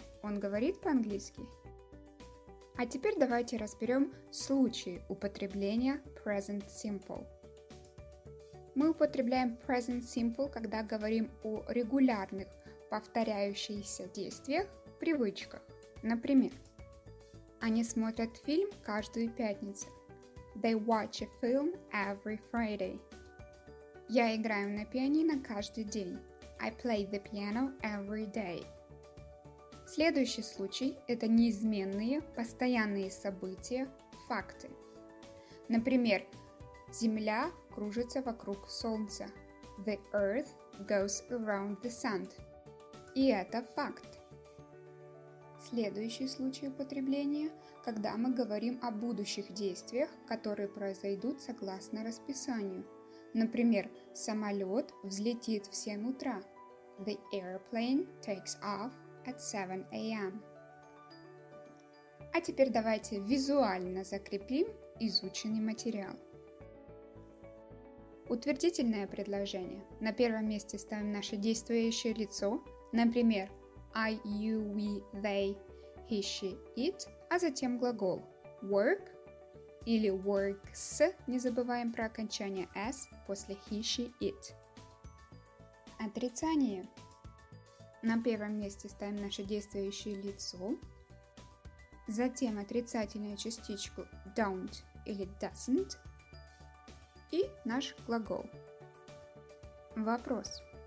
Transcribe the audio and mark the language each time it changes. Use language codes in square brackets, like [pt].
[ru] Он говорит по-английски. А теперь давайте разберем случаи употребления present simple. Мы употребляем present simple, когда говорим о регулярных, повторяющихся действиях, привычках. Например, они смотрят фильм каждую пятницу. [en] They watch a film every Friday. [ru] Я играю на пианино каждый день. [en] I play the piano every day. [ru] Следующий случай – это неизменные, постоянные события, факты. Например, Земля кружится вокруг Солнца. [en] The Earth goes around the sun. [ru] И это факт. Следующий случай употребления, когда мы говорим о будущих действиях, которые произойдут согласно расписанию. Например, самолет взлетит в 7 утра. [en] The airplane takes off at 7 a.m. [ru] А теперь давайте визуально закрепим изученный материал. Утвердительное предложение. На первом месте ставим наше действующее лицо. Например, I, you, we, they, he, she, it, а затем глагол work или works, не забываем про окончание s после he, she, it. Отрицание. На первом месте ставим наше действующее лицо, затем отрицательную частичку don't или doesn't и наш глагол. Вопрос.